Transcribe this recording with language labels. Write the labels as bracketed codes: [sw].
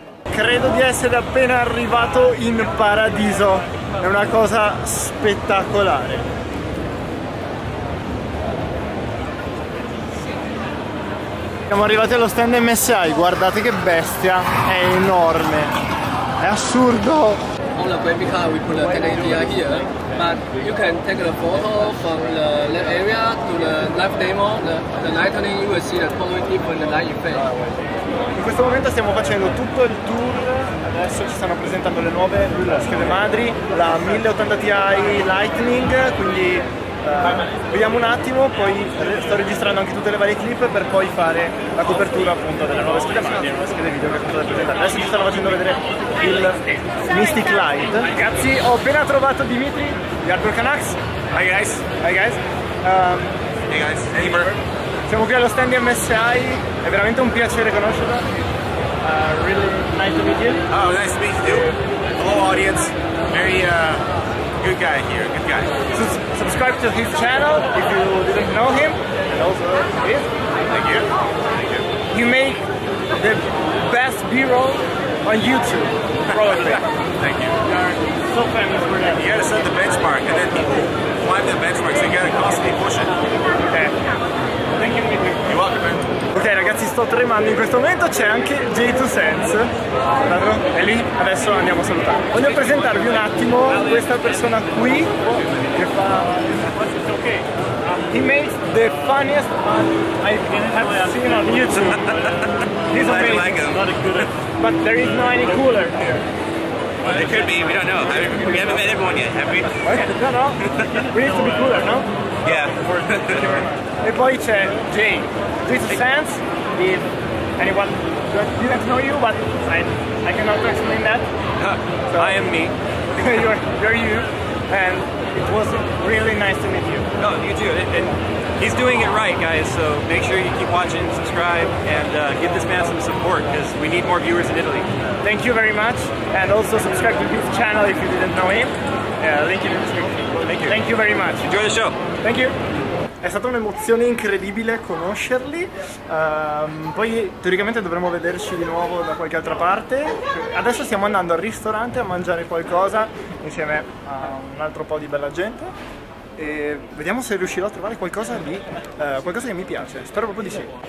[it] Credo di essere appena arrivato in paradiso. È una cosa spettacolare. Siamo arrivati allo stand MSI, guardate che bestia, è enorme, è assurdo! [en] On the baby car we put a 1080i here. but you can take a photo from the area to the live demo, the lightning, you will see the totally different light effect. [it] In questo momento stiamo facendo tutto il tour, adesso ci stanno presentando le nuove schede madri, la 1080 Ti Lightning, quindi vediamo un attimo, poi sto registrando anche tutte le varie clip per poi fare la copertura appunto delle nuove schede madri, delle nuove schede video che sono state presentate. Adesso ci stanno facendo vedere il Mystic Light. Ragazzi, ho appena trovato Dimitri di Hardcore Canucks. [en] Hi guys. Hi guys. Hey guys. Hey bro. [it] Siamo qui allo stand di MSI, è veramente un piacere conoscerlo. [en] Really nice to meet you. Oh, nice to meet you. Hello audience. Very good guy here, good guy. Subscribe to his channel if you didn't know him. And also this. Thank you. Thank you. You make the best B-roll on YouTube, probably. Thank you. You're so famous for that. You gotta set the benchmark and then people climb the benchmark, so you gotta constantly push it. Okay. [it] Ok ragazzi, sto tremando in questo momento, c'è anche J2Sense, è lì, adesso andiamo a salutare. Voglio presentarvi un attimo questa persona qui che fa... [en] He made the funniest one I have seen on YouTube. He's amazing, but there is no any cooler here. Well, it could be, we don't know, we haven't met everyone yet, have we? No, no, we need to be cooler, no? Yeah. [it] E poi c'è Jay. [en] J2Sense, if anyone didn't know you, but I cannot explain that. So I am me. you're you, and it was really nice to meet you. No, you too. And he's doing it right, guys, so make sure you keep watching, subscribe, and give this man some support, because we need more viewers in Italy. Thank you very much, and also subscribe to his channel if you didn't know him. Link in the description. Thank you. Thank you very much. Enjoy the show. Thank you. [it] È stata un'emozione incredibile conoscerli, poi teoricamente dovremmo vederci di nuovo da qualche altra parte. Adesso stiamo andando al ristorante a mangiare qualcosa insieme a un altro po' di bella gente e vediamo se riuscirò a trovare qualcosa lì, qualcosa che mi piace, spero proprio di sì.